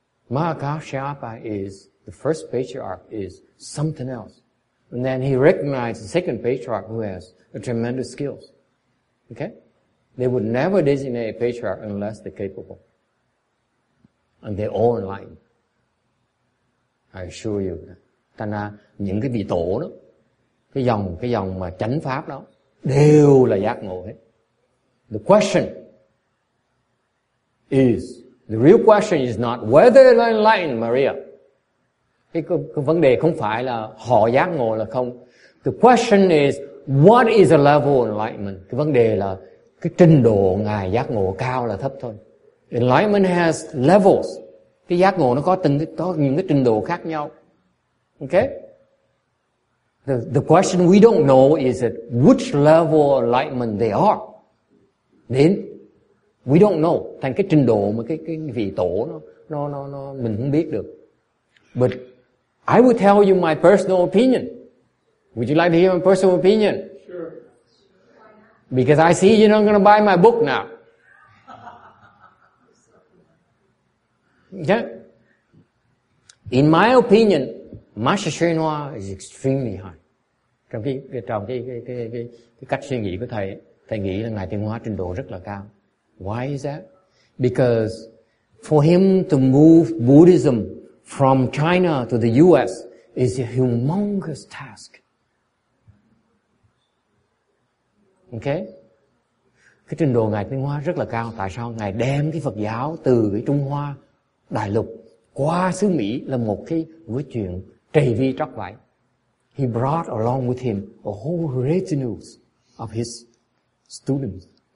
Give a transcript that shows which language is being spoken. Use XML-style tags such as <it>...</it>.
<en>Mahakashyapa is the first patriarch, is something else, and then he recognized the second patriarch who has a tremendous skills. Okay, they would never designate a patriarch unless they're capable. and they're all enlightened. I assure you.</en> <vi>Thành ra những cái vị tổ đó, cái dòng mà chánh pháp đó đều là giác ngộ hết.</vi> <en>The question is, the real question is not whether they're enlightened, Maria.</en> <vi>Cái vấn đề không phải là họ giác ngộ là không.</vi> <en>The question is, what is the level of enlightenment?</en> <vi>Cái vấn đề là cái trình độ ngài giác ngộ cao là thấp thôi.</vi> <en>Enlightenment has levels.</en> <vi>Cái giác ngộ nó có những cái trình độ khác nhau.</vi> <en>Okay? The question we don't know is that which level of enlightenment they are. Đến. We don't know.</en> <vi>Thành cái trình độ mà cái vị tổ nó mình không biết được.</vi> <en>But I will tell you my personal opinion. Would you like to hear my personal opinion? Sure. Because I see you're not going to buy my book now. Yeah. In my opinion, Master Sri Noa is extremely high.</en> <vi>Trong cái cách suy nghĩ của thầy, thầy nghĩ là ngài Tiên Hóa trình độ rất là cao.</vi> <en>Why is that? Because for him to move Buddhism from China to the US is a humongous task. Okay?</en> <vi>Cái trình độ ngài Tiên Hóa rất là cao. Tại sao ngài đem cái Phật giáo từ cái Trung Hoa đại lục qua xứ Mỹ là một cái chuyện trầy vi tróc vải.</vi> <en>He brought along with him a whole retinue of his students.</en>